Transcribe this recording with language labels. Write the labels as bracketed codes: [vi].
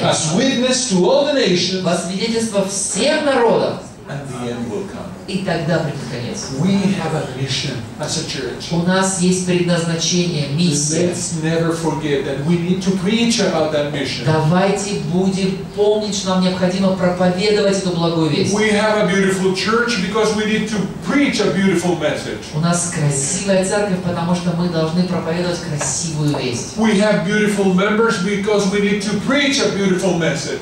[en] As witness to all the nations. [ru] Во свидетельство всем народам. [en] And the end will come. [ru] И тогда придет конец. [en] We have a mission as a church. [ru] У нас есть предназначение, миссия. [en] Let's never forget that we need to preach about that mission. [ru] Давайте будем помнить, что нам необходимо проповедовать эту благую весть. [en] We have a beautiful church because we need to preach a beautiful message. [ru] У нас красивая церковь, потому что мы должны проповедовать красивую весть. [en] We have beautiful members because we need to preach a beautiful message.